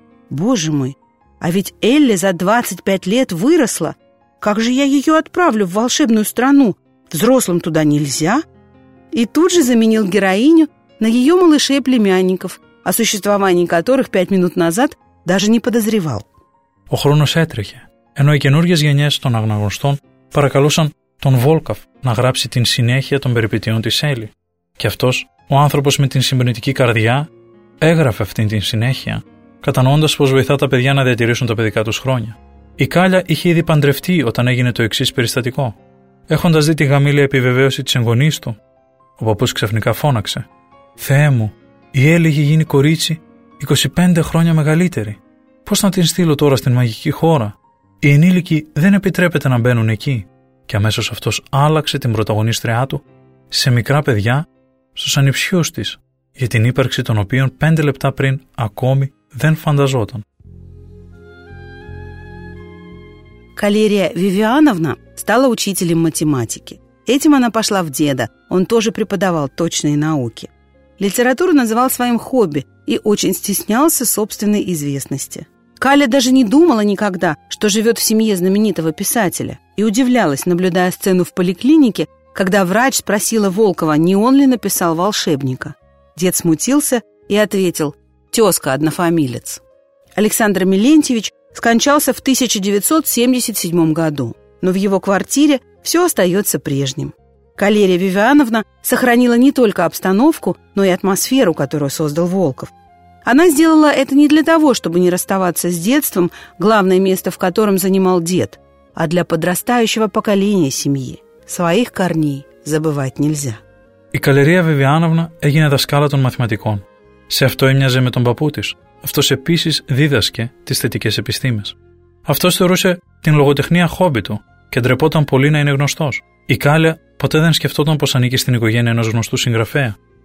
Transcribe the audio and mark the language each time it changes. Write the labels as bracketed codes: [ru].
[ru] «Боже мой, а ведь Элли за 25 лет выросла! Как же я ее отправлю в волшебную страну? Взрослым туда нельзя!» И тут же заменил героиню на ее малышей-племянников, о существовании которых 5 минут назад даже не подозревал. [el] Ο χρόνος έτρεχε, ενώ οι καινούργιες γενιές των αναγνωστών παρακαλούσαν τον Βόλκοφ να γράψει την συνέχεια των περιπετειών της Έλλη. Και αυτός, ο άνθρωπος με την συμπνητική καρδιά, έγραφε αυτήν την συνέχεια, κατανοώντας πως βοηθά τα παιδιά να διατηρήσουν τα παιδικά τους χρόνια. Η Κάλια είχε ήδη παντρευτεί όταν έγινε το εξής περιστατικό. Έχοντας δει τη γαμήλια επιβεβαίωση της εγγονής του, ο παππούς ξαφνικά φώναξε: «Θεέ μου, η Έλλη είχε γίνει κορίτσι 25 χρόνια μεγαλύτερη. Πώς να την στείλω τώρα στην μαγική χώρα? Οι ενήλικοι δεν επιτρέπεται να μπαίνουν εκεί». Και αμέσως αυτός άλλαξε την πρωταγωνίστριά του σε μικρά παιδιά στους ανιψιούς της, για την ύπαρξη των οποίων 5 λεπτά πριν ακόμη δεν φανταζόταν. [ru] Καλерия Вивиановна стала учителем математики. Этим она пошла в деда. Он тоже преподавал точные науки. Литературу называл своим хобби и очень стеснялся собственной известности. Каля даже не думала никогда, что живет в семье знаменитого писателя, и удивлялась, наблюдая сцену в поликлинике, когда врач спросила Волкова, не он ли написал «Волшебника». Дед смутился и ответил: «Тезка, однофамилец». Александр Милентьевич скончался в 1977 году, но в его квартире все остается прежним. Калерия Вивиановна сохранила не только обстановку, но и атмосферу, которую создал Волков. Она сделала это не для того, чтобы не расставаться с детством, главное место в котором занимал дед, а для подрастающего поколения семьи. Своих корней забывать нельзя. [el] Η Καλερία Βιβιάνοβνα έγινε δασκάλα των μαθηματικών. Σε αυτό έμοιαζε με τον παππού της. Αυτός επίσης δίδασκε τις θετικές επιστήμες. Αυτός θεωρούσε την λογοτεχνία χόμπι του και ντρεπόταν πολύ να είναι γνωστός. Η Κάλια ποτέ δεν σκεφτόταν πως ανήκει στην οικογένεια ενός γνωστού συγγραφέα.